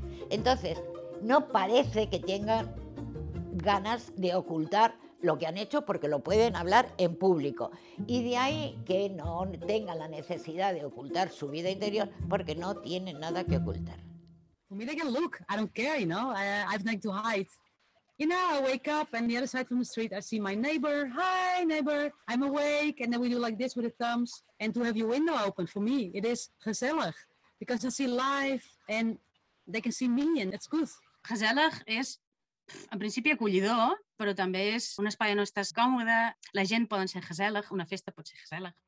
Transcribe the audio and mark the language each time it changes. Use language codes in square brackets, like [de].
[es] Entonces, no parece que tengan ganas de ocultar lo que han hecho porque lo pueden hablar en público. Y de ahí que no tengan la necesidad de ocultar su vida interior porque no tienen nada que ocultar. [en] For me, they can look. I don't care, you know. I have nothing to hide. You know, I wake up and the other side from the street, I see my neighbor. Hi, neighbor. I'm awake. And then we do like this with the thumbs. And to have your window open, for me, it is gezellig. Because I see life and they can see me and it's good. [ca] Gezellig is, en principi, acollidor, però també és un espai on estàs còmode. La gent poden ser gezellig, una festa pot ser gezellig.